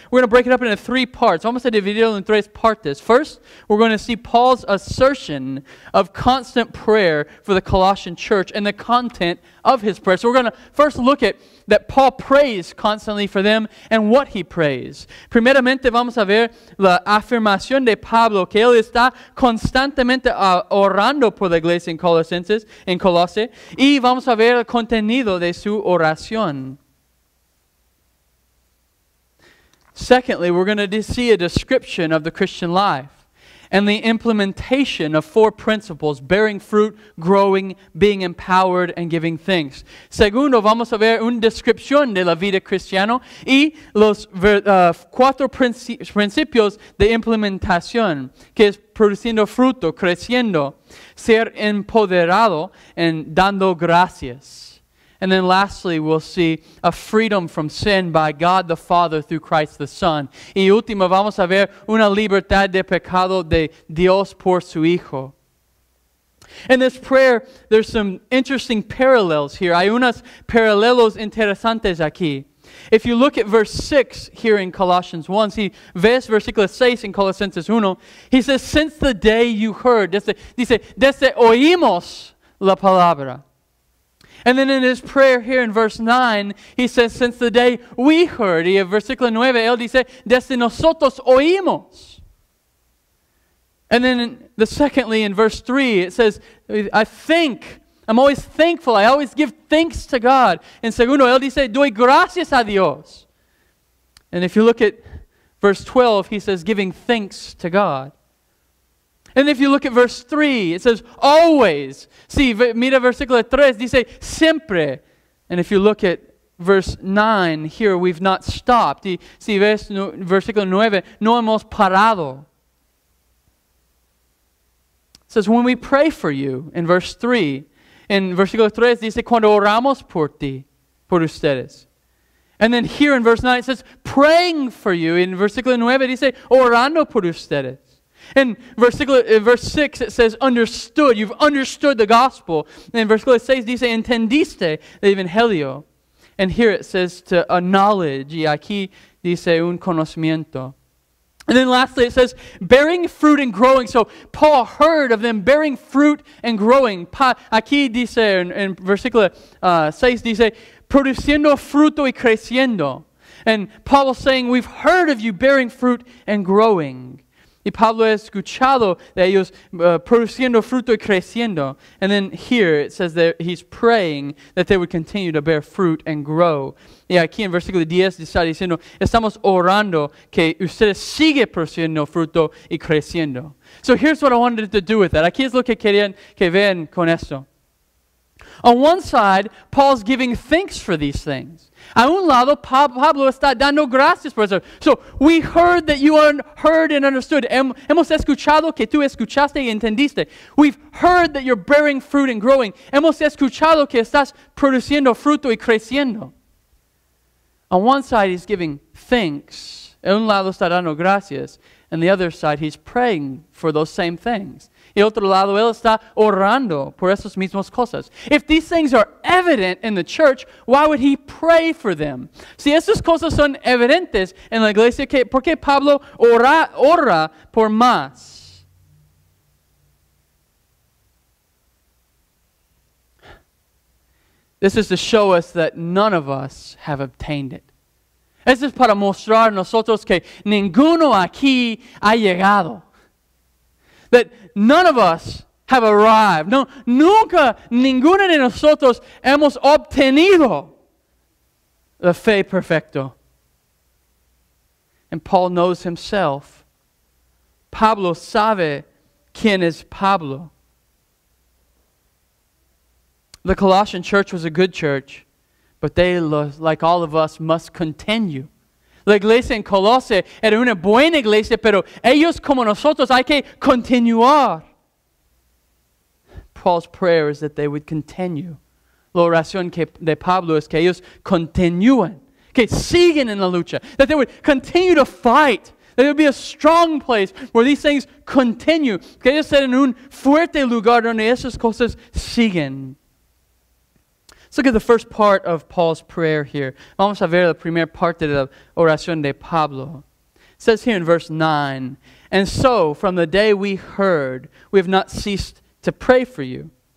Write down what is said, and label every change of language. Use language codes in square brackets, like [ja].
[en] We're going to break it up into three parts. Vamos a dividirlo en tres partes. First, we're going to see Paul's assertion of constant prayer for the Colossian church and the content of his prayer. So we're going to first look at that Paul prays constantly for them and what he prays. [es] Primeramente, vamos a ver la afirmación de Pablo, que él está constantemente orando por la iglesia en Colosas, y vamos a ver el contenido de su oración. [en] Secondly, we're going to see a description of the Christian life and the implementation of four principles: bearing fruit, growing, being empowered, and giving thanks. [es] Segundo, vamos a ver una descripción de la vida cristiana y los cuatro principios de implementación, que es produciendo fruto, creciendo, ser empoderado, and dando gracias. [en] And then lastly, we'll see a freedom from sin by God the Father through Christ the Son. [es] Y último, vamos a ver una libertad de pecado de Dios por su Hijo. [en] In this prayer, there's some interesting parallels here. [es] Hay unos paralelos interesantes aquí. [en] If you look at verse 6 here in Colossians 1, [es] si ves versículo 6 en Colosenses 1, [en] he says, since the day you heard, [es] desde oímos la palabra. [en] And then in his prayer here in verse 9, he says, since the day we heard. [es] Y en versículo 9, él dice, desde nosotros oímos. [en] And then secondly, in verse 3, it says, I'm always thankful. I always give thanks to God. [es] En segundo, él dice, doy gracias a Dios. [en] And if you look at verse 12, he says, giving thanks to God. And if you look at verse 3, it says, always. See, [es] mira versículo 3, dice, siempre. [en] And if you look at verse 9, here we've not stopped. [es] Si ves versículo 9, no hemos parado. [en] It says, when we pray for you, in verse 3, in [es] versículo 3, dice, cuando oramos por ti, por ustedes. [en] And then here in verse 9, it says, praying for you. In [es] versículo 9, dice, orando por ustedes. [en] In verse 6, it says, understood. You've understood the gospel. And in verse 6, [es] dice, entendiste el evangelio. [en] And here it says, to a knowledge. [es] Y aquí dice, un conocimiento. [en] And then lastly, it says, bearing fruit and growing. So Paul heard of them bearing fruit and growing. [es] Aquí dice, in versículo 6, dice, produciendo fruto y creciendo. [en] And Paul is saying, we've heard of you bearing fruit and growing. [es] Y Pablo ha escuchado de ellos produciendo fruto y creciendo. [en] And then here it says that he's praying that they would continue to bear fruit and grow. [es] Y aquí en versículo 10 está diciendo, estamos orando que ustedes sigan produciendo fruto y creciendo. [en] So here's what I wanted to do with that. [es] Aquí es lo que querían que vean con esto. [en] On one side, Paul's giving thanks for these things. [es] A un lado, Pablo está dando gracias por eso. [en] So, we heard that you heard and understood. [es] Hemos escuchado que tú escuchaste y entendiste. [en] We've heard that you're bearing fruit and growing. [es] Hemos escuchado que estás produciendo fruto y creciendo. [en] On one side, he's giving thanks. [es] A un lado, está dando gracias. [en] And the other side, he's praying for those same things. [es] Y otro lado, él está orando por esas mismas cosas. [en] If these things are evident in the church, why would he pray for them? [es] Si esas cosas son evidentes en la iglesia, ¿por qué Pablo ora por más? [en] This is to show us that none of us have obtained it. [es] Esto es para mostrar a nosotros que ninguno aquí ha llegado. [en] That none of us have arrived. [es] No, nunca ninguno de nosotros hemos obtenido la fe perfecta. [en] And Paul knows himself. [es] Pablo sabe quién es Pablo. [en] The Colossian church was a good church, but they, like all of us, must continue. [es] La iglesia en Colosas era una buena iglesia, pero ellos como nosotros hay que continuar. [en] Paul's prayer is that they would continue [es] La oración de Pablo es que ellos continúen, que siguen en la lucha, [en] that they would continue to fight, that it would be a strong place where these things continue, [es] que ellos estén en un fuerte lugar donde esas cosas siguen. [en] Let's look at the first part of Paul's prayer here. [es] Vamos a ver la primera parte de la oración de Pablo. [en] It says here in verse 9, "And so, from the day we heard, we have not ceased to pray for you."